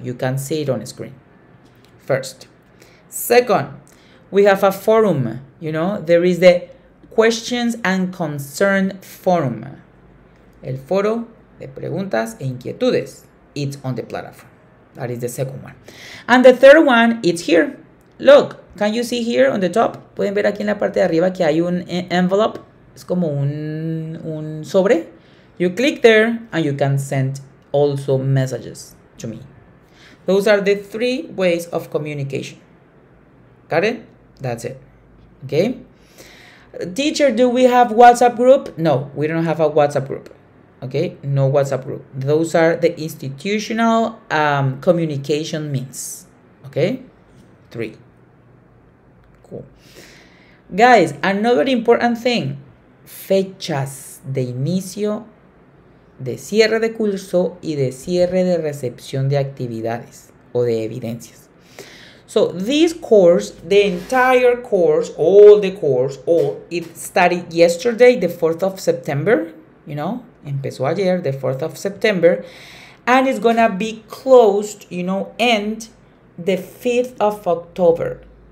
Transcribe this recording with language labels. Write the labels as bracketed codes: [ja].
[en] You can see it on the screen. First. Second, we have a forum. You know, there is the questions and concern forum. [es] El foro de preguntas e inquietudes. [en] It's on the platform. That is the second one. And the third one, it's here. Look, can you see here on the top? [es] Pueden ver aquí en la parte de arriba que hay un envelope. Es como un sobre. [en] You click there and you can send also messages to me. Those are the three ways of communication. Got it? That's it. Okay? Teacher, do we have WhatsApp group? No, we don't have a WhatsApp group. Okay? No WhatsApp group. Those are the institutional communication means. Okay? Three. Cool. Guys, another important thing. [es] Fechas de inicio, de cierre de curso y de cierre de recepción de actividades o de evidencias. [en] So this course, the entire course, all the course, all, it started yesterday, the 4th of September, you know, [es] empezó ayer, [en] the 4th of September, and it's gonna be closed, you know, end the 5th of October.